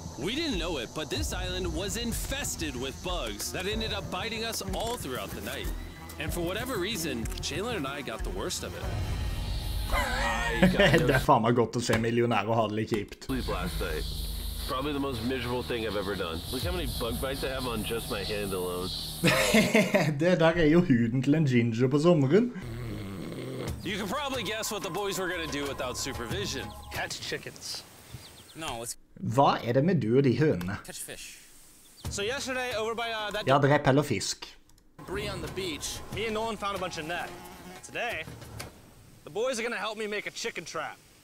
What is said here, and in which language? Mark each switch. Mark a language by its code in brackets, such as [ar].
[en] We didn't know it, but this island was infested with bugs that ended up biting us all throughout the night. And for whatever reason, Chandler and I got the worst of it. [no] Det er faen meg godt å se millionær og ha det litt kjipt. [en] Sleep last night. Probably the most miserable thing I've ever done. Look how many bug bites I have on just my hand alone. [no] Det der er jo huden til en ginger på sommeren. [en] You can probably guess what the boys were gonna do without supervision. Catch chickens. No, let's... [no] Hva er det med du og de hønene? [en] Catch fish. So yesterday, over by that... [no] Ja, drep eller fisk. [en] Bree on the beach. Me and Nolan found a bunch of net. Today... The boys are gonna help me make a chicken trap.